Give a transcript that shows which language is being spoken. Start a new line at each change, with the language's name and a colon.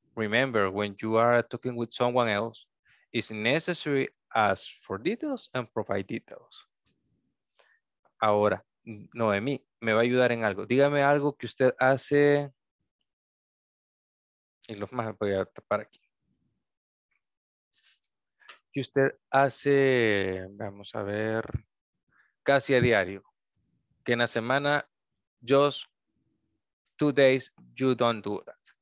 English: Remember, when you are talking with someone else, it's necessary ask for details and provide details.
Spanish: Ahora, Noemí, me va a ayudar en algo. Dígame algo que usted hace. Y los más voy a tapar aquí. Que usted hace, vamos a ver, casi a diario. Que en la semana,
English: just 2 days, you don't do that.